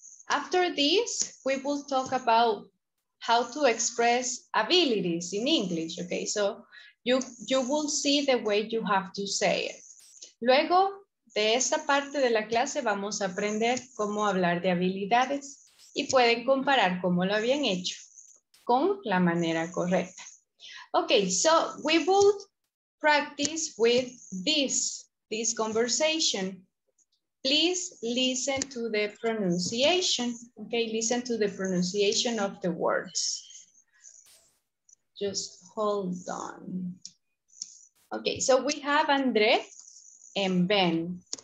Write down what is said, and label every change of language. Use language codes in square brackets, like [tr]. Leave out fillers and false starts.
[en] After this, we will talk about how to express abilities in English, okay? So you will see the way you have to say it. [es] Luego de esta parte de la clase vamos a aprender cómo hablar de habilidades y pueden comparar cómo lo habían hecho con la manera correcta. [en] Okay, so we will practice with this conversation. Please listen to the pronunciation. Okay, listen to the pronunciation of the words. Just hold on. Okay, so we have André and Ben.